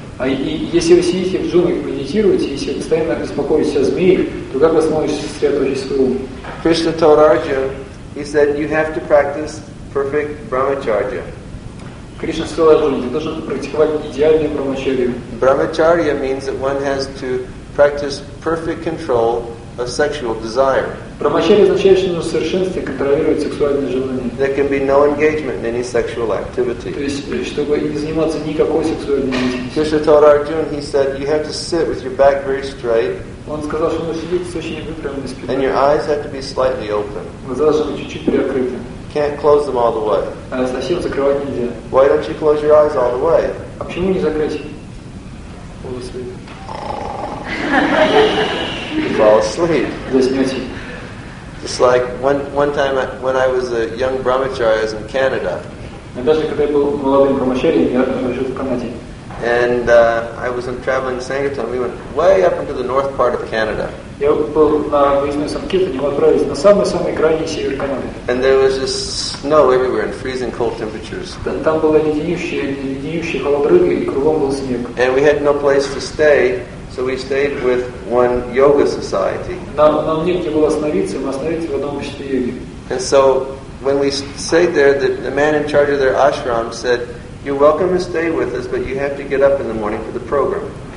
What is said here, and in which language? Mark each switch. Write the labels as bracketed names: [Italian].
[Russian] Если вы сидите в джунглях и медитируете, если вы постоянно беспокоитесь о змеях, то как вы сможете сосредоточить свой ум? [English] Krishna told Arjuna, he said, you have to practice perfect brahmacharya. [Russian] Кришна сказал Арджуне, ты должен практиковать идеальное брахмачарья. [English] Brahmacharya means that one has to practice perfect control of sexual desire. [Russian] Брахмачарья означает, что нужно в совершенстве контролировать сексуальные желания. [English] There can be no engagement in any sexual activity. [Russian] То есть, чтобы не заниматься никакой сексуальной деятельностью. [English] Krishna told Arjuna, he said, you have to sit with your back very straight. [Russian] Он сказал, что нужно сидеть с очень выпрямленной спиной. [English] And your eyes have to be slightly open. [Russian] Глаза должны быть чуть-чуть приоткрыты. [English] Can't close them all the way. [Russian] Совсем закрывать нельзя. [English] Why don't you close your eyes all the way? [Russian] А почему не закрыть? [English] Fall asleep. [Russian] Заснете. [English] It's like one time when I was a young brahmachari, I was in Canada. And I was in traveling Sangatam. We went way up into the north part of Canada. And there was just snow everywhere and freezing cold temperatures. And we had no place to stay. So we stayed with one yoga society. [Russian] Нам негде было остановиться, мы остановились в одном обществе йоги. [English] And so when we stayed there, the man in charge of their ashram said, "You're welcome to stay with us, but you have to get up in the morning for the program."